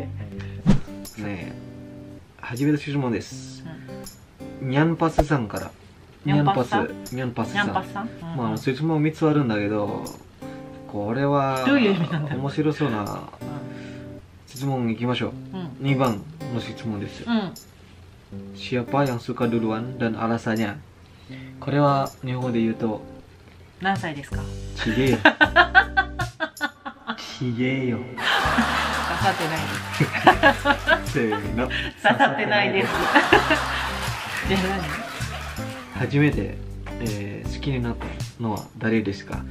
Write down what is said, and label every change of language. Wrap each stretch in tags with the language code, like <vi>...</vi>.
<ja>ねえ、初めて質問です。ニャンパスさんから。ニャンパス、ニャンパスさん。まあ質問3つあるんだけど、これはどういう意味なんだ。面白そうな質問いきましょう。 2番の質問です。</ja> <id>Siapa yang suka duluan dan alasannya?</id> <ja>これは日本語で言うと何歳ですか？ちげえよ。ちげえよ。刺さってないです。 せーの。刺さってないです。じゃあ何？初めて、好きになったのは誰ですか？</ja>